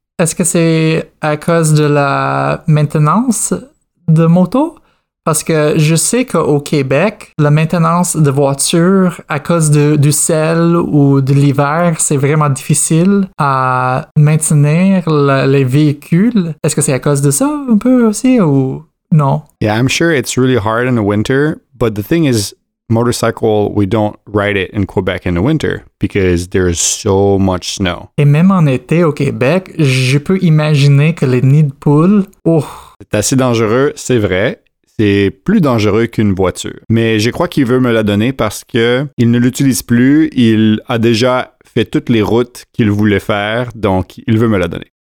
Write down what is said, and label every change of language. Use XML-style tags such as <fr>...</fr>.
<fr>Est-ce que c'est à cause de la maintenance de moto? Parce que je sais qu'au Québec, la maintenance de voiture à cause du sel ou de l'hiver, c'est vraiment difficile à maintenir les véhicules. Est-ce que c'est à cause de ça un peu aussi ou non?</fr> <en>Yeah, I'm sure it's really hard in the winter, but the thing is, motorcycle, we don't ride it in Quebec in the winter because there is so much snow.</en> <fr>Et même en été au Québec, je peux imaginer que les nids de poules, oh! C'est assez dangereux, c'est vrai. C'est plus dangereux qu'une voiture. Mais je crois qu'il veut me la donner parce que il ne l'utilise plus. Il a déjà fait toutes les routes qu'il voulait faire, donc il veut me la donner.</fr>